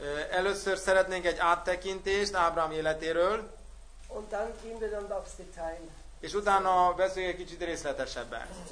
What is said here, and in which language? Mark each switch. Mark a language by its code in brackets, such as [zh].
[hu] Először szeretnénk egy áttekintést Ábrám életéről, [de] und dann gehen wir dann aufs Detail. [hu] És utána beszéljünk egy kicsit részletesebben.